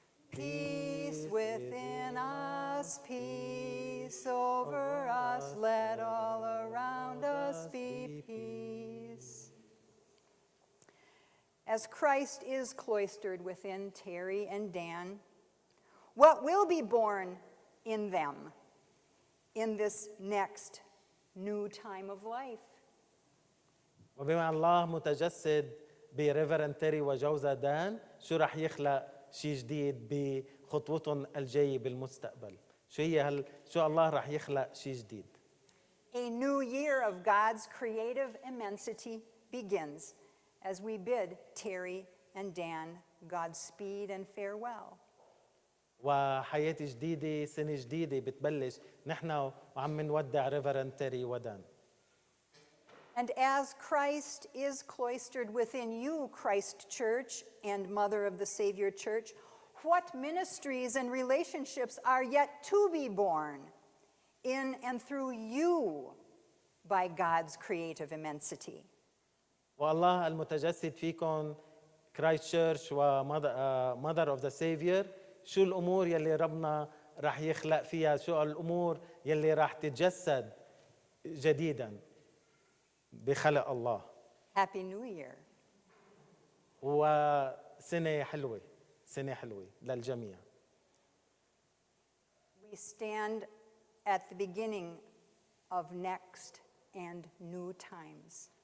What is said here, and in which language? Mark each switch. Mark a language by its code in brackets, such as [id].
[en] Peace within us, peace over us, let all around us be peace. As Christ is cloistered within Terry and Dan, what will be born in them? In this next new time of life. [ar] وبما الله متجسد بريفرنت تيري وجوزة دان شو رح يخلق شيء جديد بخطوتهم الجاية بالمستقبل شو هي هل شو الله رح يخلق شيء جديد. [en] A new year of God's creative immensity begins as we bid Terry and Dan Godspeed and farewell. [ar] وحياة جديدة سنة جديدة بتبلش نحن وعم نودع ريفرنت تيري ودان. [en] And as Christ is cloistered within you, Christ Church and Mother of the Savior Church, what ministries and relationships are yet to be born in and through you by God's creative immensity? [ar] والله المتجسد فيكم Christ Church ومother of the Savior شو الأمور يلي ربنا رح يخلق فيها شو الأمور يلي رح تتجسد جديدا بخلق الله. [en] Happy New Year. [ar] وسنة حلوة سنة حلوة للجميع. [en] We stand at the beginning of next and new times.